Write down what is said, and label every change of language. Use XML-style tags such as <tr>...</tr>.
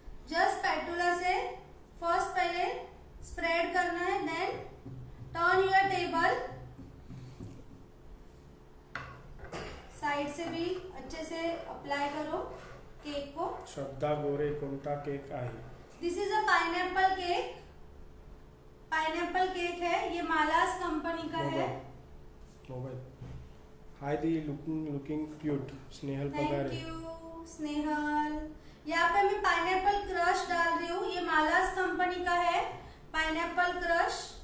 <hi>Just पैटुला से first पहले spread करना है,</hi> <en>then turn your table</en> <hi>side से भी अच्छे से अप्लाई करो केक को।</hi> <mr>श्रद्धा गोरे, कोणता केक आहे?</mr> <en>this is a pineapple cake,</en> <hi>pineapple cake है, ये मालास कंपनी का है।</hi> <en>Mobile, hi दी, looking cute, Snehal Pagare. Thank you Snehal.</en> <hi>यहाँ पे मैं पाइनएप्पल क्रश डाल रही हूँ, ये मालास कंपनी का है पाइनएप्पल क्रश।</hi>